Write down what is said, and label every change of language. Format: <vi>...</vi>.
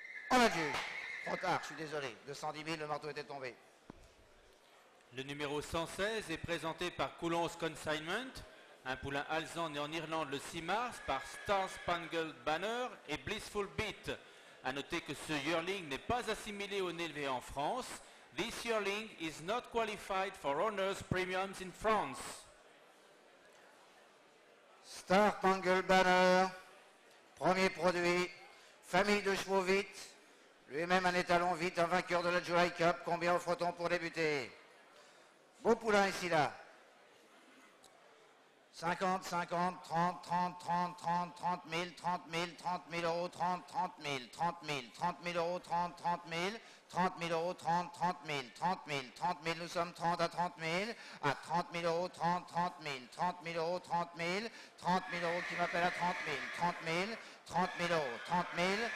<fr>On a juge. Trop tard, je suis désolé. 210 000, le marteau était tombé. Le numéro 116 est présenté par Coulon's Consignment, un poulain alsan né en Irlande le 6 mars par Star Spangled Banner et Blissful Beat. A noter que ce yearling n'est pas assimilé au nélevé en France.</fr> <en>This yearling is not qualified for owners premiums in France.</en> <fr>Star Spangled Banner, premier produit, famille de chevaux vite. Lui-même un étalon vite, un vainqueur de la July Cup. Combien offre-t-on pour débuter? Beau poulain ici, là. 50, 50, 30, 30, 30, 30, 30 000, 30 000, 30 000 euros, 30, 30 000, 30 000, 30 000 euros, 30, 30 000, 30 000 euros, 30, 30 000, 30 000, 30 000, nous sommes 30 à 30 000, à 30 000 euros, 30, 30 000, 30 000 euros, 30 000, 30 000 euros, qui m'appelle à 30 000, 30 000, 30 000 euros, 30 000,</fr>